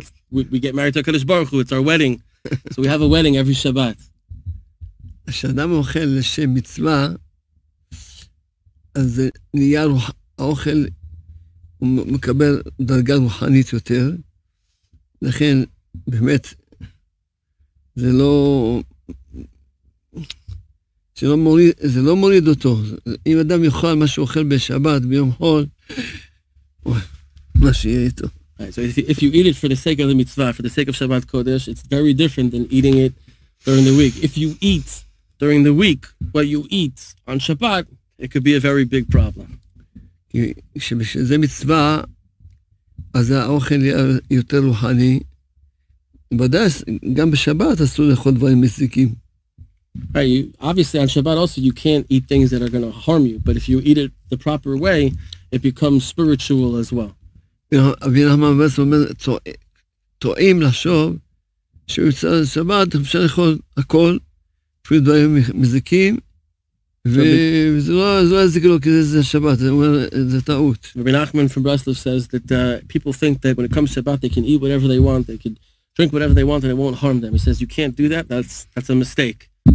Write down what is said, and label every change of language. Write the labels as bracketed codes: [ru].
[en] We get married to HaKadosh Baruch Hu, it's our wedding. So we have a wedding every Shabbat. [he] כשאדם אוכל לשם מצווה, אז נהיה האוכל, הוא מקבל דרגה רוחנית יותר. לכן, באמת, זה לא, זה לא מוריד אותו. אם אדם יאכל מה שהוא אוכל בשבת, ביום חול, מה שיהיה איתו. [en] Right, so if you eat it for the sake of the mitzvah, for the sake of Shabbat Kodesh, it's very different than eating it during the week. If you eat during the week what you eat on Shabbat, it could be a very big problem. [he] כשזה מצווה, אז האוכל יהיה יותר רוחני. ודאי, גם בשבת אסור לאכול דברים מזיקים. [en] Right, obviously on Shabbat also you can't eat things that are going to harm you, but if you eat it the proper way, it becomes spiritual as well. [he] אבי נחמן ברסלב אומר, טועים לחשוב שבמצוות שבת אפשר לאכול הכל, אפילו דברים מזיקים, [en] Rabbi Nachman from Breslov says that people think that when it comes to Shabbat, they can eat whatever they want, they can drink whatever they want, and it won't harm them. He says, you can't do that, that's a mistake.